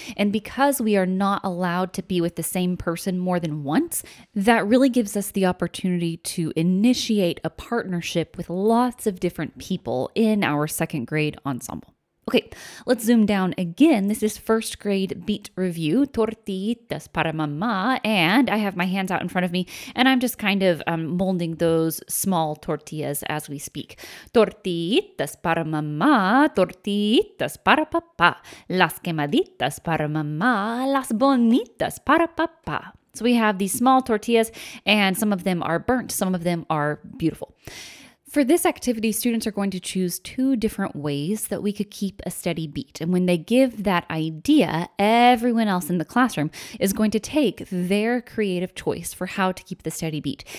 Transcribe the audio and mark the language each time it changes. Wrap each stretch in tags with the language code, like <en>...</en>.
<en>And because we are not allowed to be with the same person more than once, that really gives us the opportunity to initiate a partnership with lots of different people in our second grade ensemble. Okay, let's zoom down again. This is first grade beat review, tortitas para mamá, and I have my hands out in front of me, and I'm just kind of molding those small tortillas as we speak.</en> <es>Tortitas para mamá, tortitas para papá, las quemaditas para mamá, las bonitas para papá.</es> <en>So we have these small tortillas, and some of them are burnt, some of them are beautiful. For this activity, students are going to choose two different ways that we could keep a steady beat. And when they give that idea, everyone else in the classroom is going to take their creative choice for how to keep the steady beat.</en>